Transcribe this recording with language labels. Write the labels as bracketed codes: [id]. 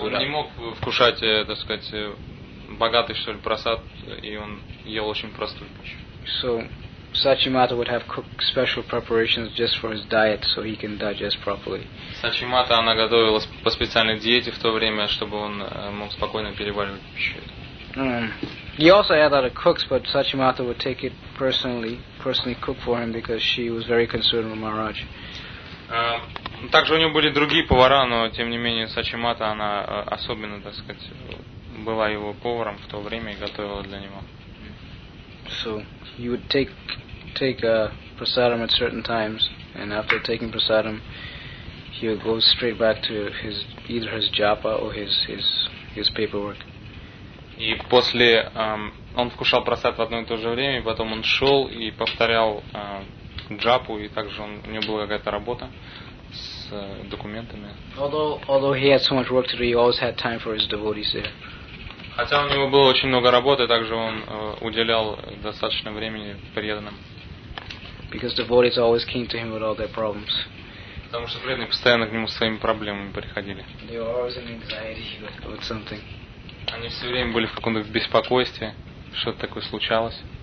[ru] Он не мог вкушать, так сказать, богатый что ли просад, и он ел очень простую пищу. [en] So Сачимата would have cooked special preparations just for his diet, so he can digest properly. [ru] Сачимата, она готовила по специальной диете в то время, чтобы он мог спокойно переваривать пищу. [en] He also had other cooks, but Сачимата would take it personally cook for him because she was very concerned with Maharaj. [ru] Также у него были другие повара, но тем не менее Сачимата, она особенно, так сказать, была его поваром в то время и готовила для него. [en] So you would take prasadam at certain times, and after taking prasadam, he would go straight back to either his japa or his paperwork. [ru] И после он вкушал просад в одно и то же время, и потом он шел и повторял джапу, и также у него была какая-то работа с документами. [en] Although he had so much work to do, he always had time for his devotees there. [ru] Хотя у него было очень много работы, также он уделял достаточно времени преданным. [en] Because devotees always came to him with all their problems. [ru] Потому что преданные постоянно к нему с своими проблемами приходили. [en] They were always in anxiety with something. [ru] Они все время были в каком-то беспокойстве, что-то такое случалось.